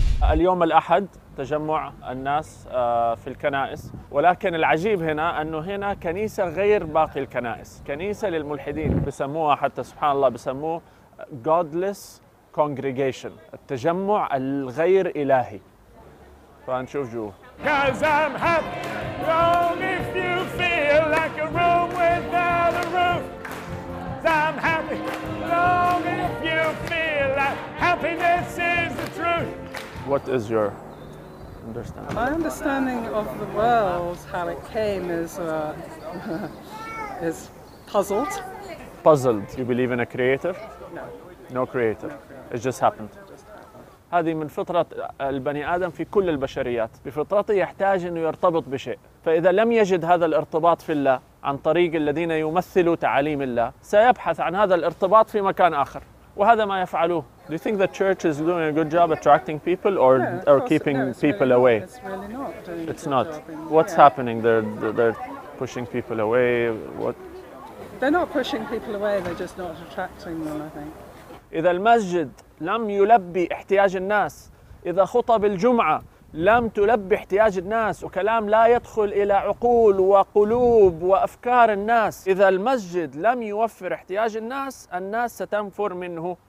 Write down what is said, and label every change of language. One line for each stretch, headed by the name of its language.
Arabic: اليوم الأحد تجمع الناس في الكنائس، ولكن العجيب هنا أنه هنا كنيسة غير باقي الكنائس، كنيسة للملحدين بسموها، حتى سبحان الله بسموه Godless Congregation، التجمع الغير إلهي. فنشوف جوه.
English: Cause I'm hot, wrong if you feel like a room without a roof. I'm happy, wrong if you feel like happiness is the truth. What is your understanding? My understanding of the world, how it came, is is puzzled. Puzzled? You believe in a creator? No. No creator. It just happened.
Arabic: هذه من فطرة البني آدم في كل البشريات، بفطرته يحتاج أنه يرتبط بشيء، فإذا لم يجد هذا الارتباط في الله عن طريق الذين يمثلوا تعاليم الله سيبحث عن هذا الارتباط في مكان آخر، وهذا ما يفعلوه.
English: Do you think the church is doing a good job attracting people or or keeping people away? It's really not. It's not. What's happening? They're pushing people away. What? They're not pushing people away. They're just not attracting them, I think.
Arabic: إذا المسجد لم يلبي احتياج الناس، إذا خطب الجمعة لم تلبي احتياج الناس وكلام لا يدخل إلى عقول وقلوب وأفكار الناس، إذا المسجد لم يوفر احتياج الناس، الناس ستنفر منه.